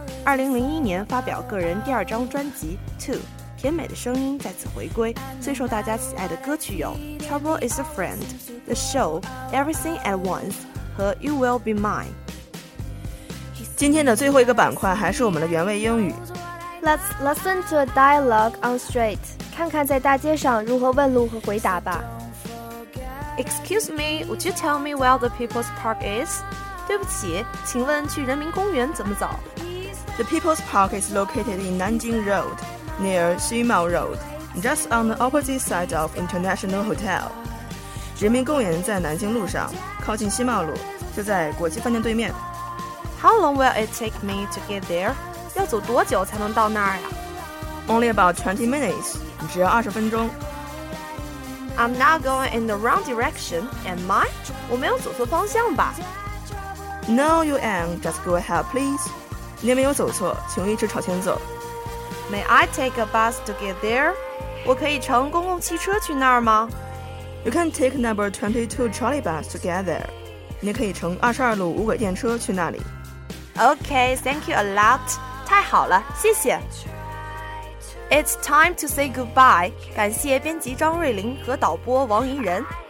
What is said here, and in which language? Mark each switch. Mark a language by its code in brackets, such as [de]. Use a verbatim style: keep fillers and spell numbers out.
[zh] 二零零一年发表个人第二张专辑 Two， 甜美的声音再次回归，最受大家喜爱的歌曲有 Trouble is a Friend、 The Show、 Everything at Once 和 You Will Be Mine。今天的最后一个板块还是我们的原味英语。 [en] Let's listen to a dialogue on street， [zh] 看看在大街上如何问路和回答吧。 [en] Excuse me, would you tell me where the People's Park is? [zh] 对不起，请问去人民公园怎么走 [en] The People's Park is located in Nanjing Road, near Ximao Road, just on the opposite side of International Hotel. [zh] 人民公园在南京路上，靠近西茂路，就在国际饭店对面。 [en] How long will it take me to get there? [zh] 要走多久才能到那儿呀？ [en] Only about twenty minutes. [zh] 只要二十分钟。 [en] I'm not going in the wrong direction, am I? [zh] 我没有走错方向吧 [en] No, you am. Just go ahead, please. [zh] 你没有走错，请一直朝前走。 [en] May I take a bus to get there? [zh] 我可以乘公共汽车去那儿吗？ [en] You can take number twenty-two trolley bus to get there. [zh] 你可以乘二十二路无轨电车去那里。 [en] Okay, thank you a lot. [zh] 太好了，谢谢。 [en] It's time to say goodbye. [zh] 感谢编辑张瑞玲和导播王怡仁。